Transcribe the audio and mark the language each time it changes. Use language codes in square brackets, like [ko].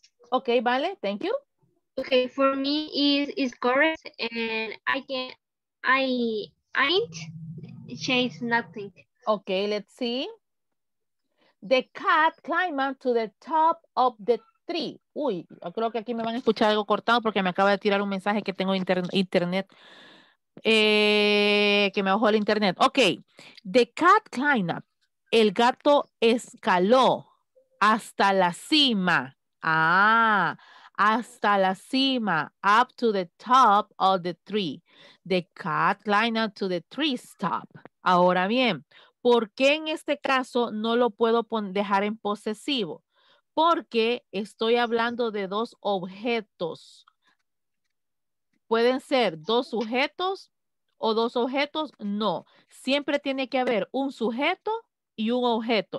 [en] Okay, vale. Thank you. Okay, for me is correct, and I ain't changed nothing. Okay, let's see. The cat climbed to the top of the tree. [es] Uy, yo creo que aquí me van a escuchar algo cortado porque me acaba de tirar un mensaje que tengo internet. Que me bajó el internet. [en] Okay, the cat climbed up. [es] El gato escaló hasta la cima. Hasta la cima, [en] up to the top of the tree. The cat climbed up to the tree top. [es] Ahora bien, ¿por qué en este caso no lo puedo dejar en posesivo? Porque estoy hablando de dos objetos. ¿Pueden ser dos sujetos o dos objetos? No. Siempre tiene que haber un sujeto y un objeto.